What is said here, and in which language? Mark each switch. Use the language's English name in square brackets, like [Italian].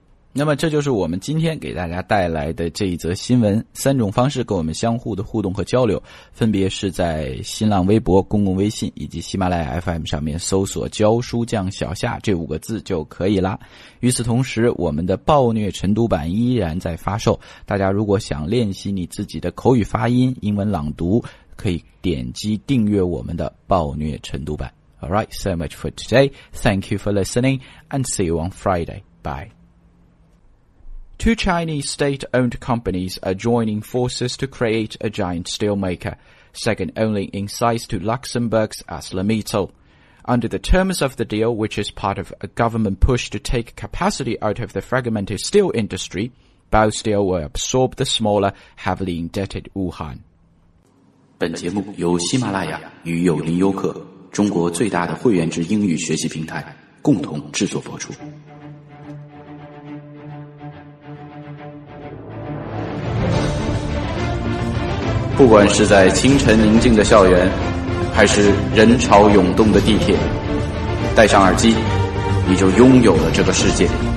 [Chinese] 那么这就是我们今天给大家带来的这一则新闻，三种方式跟我们相互的互动和交流，分别是在新浪微博、公共微信以及喜马拉雅 FM 上面搜索教书匠小夏这五个字就可以了。与此同时，我们的暴虐晨读版依然在发售，大家如果想练习你自己的口语发音、英文朗读，可以点击订阅我们的暴虐晨读版。 [English] Alright, so much for today. Thank you for listening and see you on Friday. Bye. Two Chinese state-owned companies are joining forces to create a giant steelmaker, second only in size to Luxembourg's ArcelorMittal. Under the terms of the deal, which is part of a government push to take capacity out of the fragmented steel industry, Bao Steel will absorb the smaller, heavily indebted Wuhan. [Chinese] 本节目由喜马拉雅与有林优客，中国最大的会员制英语学习平台，共同制作播出。不管是在清晨宁静的校园，还是人潮涌动的地铁，戴上耳机，你就拥有了这个世界。